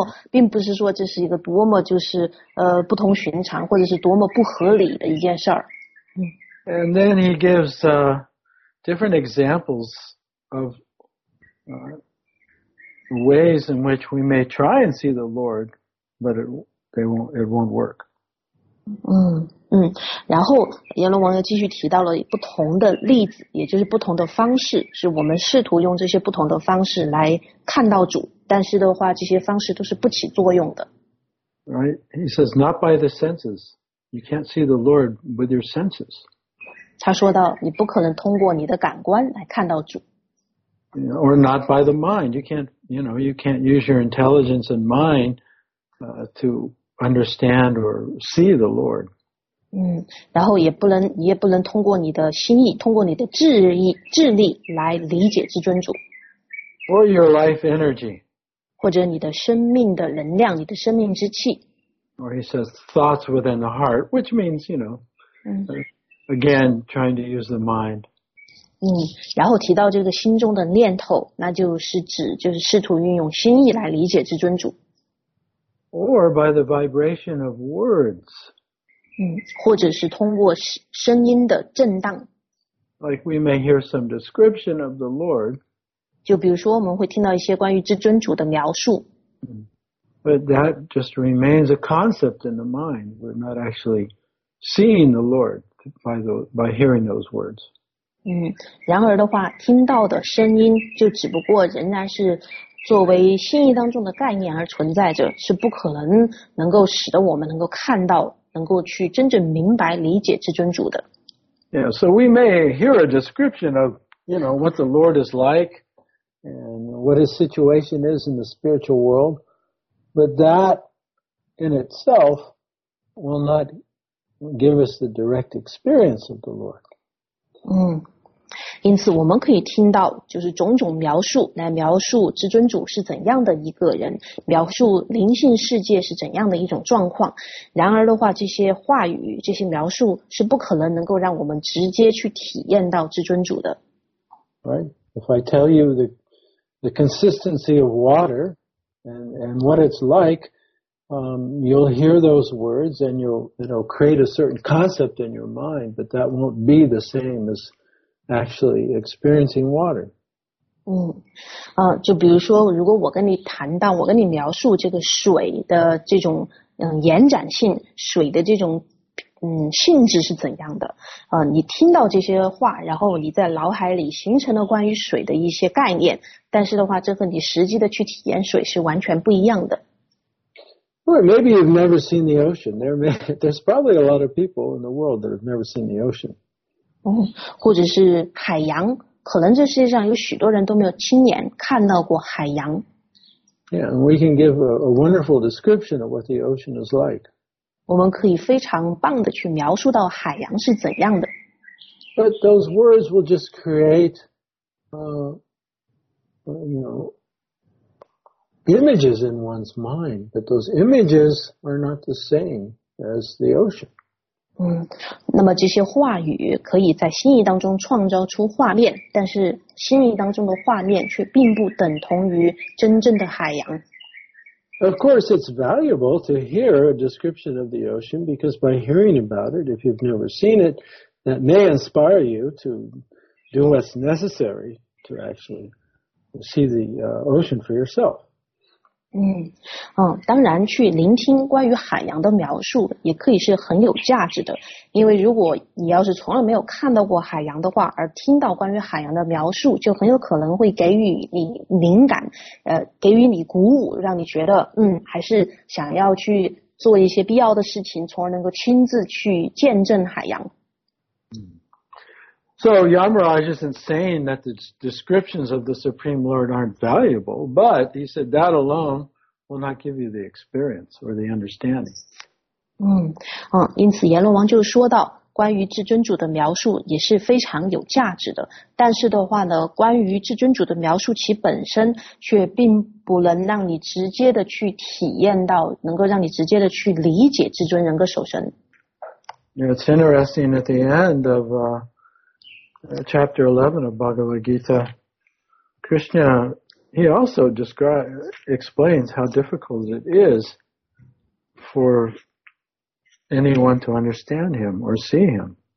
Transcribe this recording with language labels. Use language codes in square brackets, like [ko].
[zh] 并不是说这是一个多么就是不同寻常或者是多么不合理的一件事儿。 [en] And then he gives different examples of ways in which we may try and see the Lord, but it won't work. [zh] 然后阎罗王又继续提到了不同的例子，也就是不同的方式，是我们试图用这些不同的方式来看到主，但是的话这些方式都是不起作用的。 [en] Right, he says not by the senses. You can't see the Lord with your senses. [zh] 他说到你不可能通过你的感官来看到主。 [en] Or not by the mind. You can't use your intelligence and mind to understand or see the Lord. [zh] 然后也不能通过你的心意，通过你的智力来理解至尊主。 [en] Or your life energy. [zh] 或者你的生命的能量，你的生命之气。 [en] Or he says thoughts within the heart, which means, you know, again, trying to use the mind. [zh] 然后提到这个心中的念头，那就是指就是试图运用心意来理解至尊主。 [en] Or by the vibration of words. [zh] 或者是通过声音的震荡。 [en] Like we may hear some description of the Lord. [zh] 就比如说我们会听到一些关于至尊主的描述。 [en] But that just remains a concept in the mind. We're not actually seeing the Lord by hearing those words. [zh] 然而的话，听到的声音就只不过仍然是作为心意当中的概念而存在着，是不可能能够使得我们能够看到，能够去真正明白理解至尊主的。 [en] Yeah, so we may hear a description of, you know, what the Lord is like and what his situation is in the spiritual world, but that in itself will not give us the direct experience of the Lord. [zh] 因此我们可以听到就是种种描述来描述至尊主是怎样的一个人，描述灵性世界是怎样的一种状况，然而的话这些话语这些描述是不可能能够让我们直接去体验到至尊主的。 [en] Right, if I tell you the consistency of water and what it's like, you'll hear those words and you'll create a certain concept in your mind, but that won't be the same asactually experiencing water. [zh] 就比如说如果我跟你谈到我跟你描述这个水的这种延展性，水的这种性质是怎样的，你听到这些话，然后你在脑海里形成了关于水的一些概念，但是的话这和你实际的去体验水是完全不一样的。 [en] Well, maybe you've never seen the ocean. There's probably a lot of people in the world that have never seen the ocean. [zh] 或者是海洋，可能这世界上有许多人都没有亲眼看到过海洋。 [en] Yeah, and we can give a wonderful description of what the ocean is like. [zh] 我们可以非常棒的去描述到海洋是怎样的。 [en] But those words will just create, images in one's mind. But those images are not the same as the ocean. [zh] 那么这些话语可以在心意当中创造出画面，但是心意当中的画面却并不等同于真正的海洋。 [en] Of course, it's valuable to hear a description of the ocean, because by hearing about it, if you've never seen it, that may inspire you to do what's necessary to actually see the ocean for yourself. [zh] 当然去聆听关于海洋的描述也可以是很有价值的，因为如果你要是从来没有看到过海洋的话，而听到关于海洋的描述，就很有可能会给予你灵感，给予你鼓舞，让你觉得还是想要去做一些必要的事情，从而能够亲自去见证海洋。 [en] So Yamaraj isn't saying that the descriptions of the Supreme Lord aren't valuable, but he said that alone will not give you the experience or the understanding. [zh] 因此阎罗王就说到关于至尊主的描述也是非常有价值的，但是的话呢，关于至尊主的描述其本身却并不能让你直接的去体验到，能够让你直接的去理解至尊人格守神。 [en] It's interesting at the end of Chapter 11 of Bhagavad Gita, Krishna, he also explains how difficult it is for anyone to understand him or see him.